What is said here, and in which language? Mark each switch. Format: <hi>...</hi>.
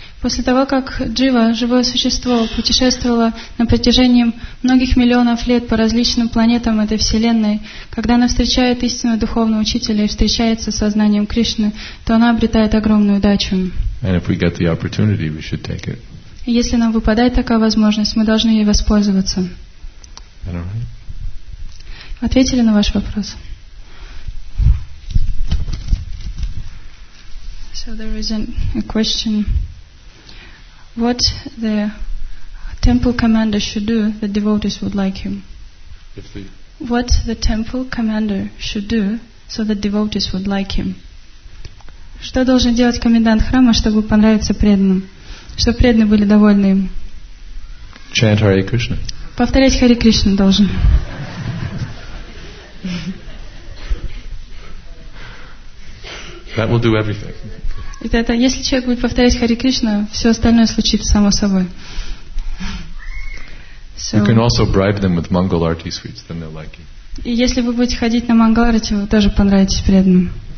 <ru>После того, как Джива, живое существо, путешествовало на протяжении многих миллионов лет по различным планетам этой вселенной, когда она встречает истинного духовного учителя и встречается со сознанием Кришны, то она обретает огромную удачу.</ru> <en>And if we get the opportunity, we should take it.</en> <ru>И если нам выпадает такая возможность, мы должны ей воспользоваться. Ответили на ваш вопрос?</ru> <en>So there is a question. What the temple commander should do, the devotees would like him. What the temple commander should do, so the devotees would like him.</en> <ru>Что должен делать комендант храма, чтобы понравиться преданным? Чтобы преданные были довольны им.</ru> <en>Chant Hare Krishna.</en> <ru>Повторять Харе Кришну должен.</ru> <en>That will do everything.</en> <ru>Это если человек будет повторять Харе Кришну, все остальное случится само собой.</ru> <en>So, you can also bribe them with Mangal Arati sweets, then they'll like you.</en> <ru>И если вы будете ходить на Мангал Арати, вы тоже понравитесь преданным.</ru>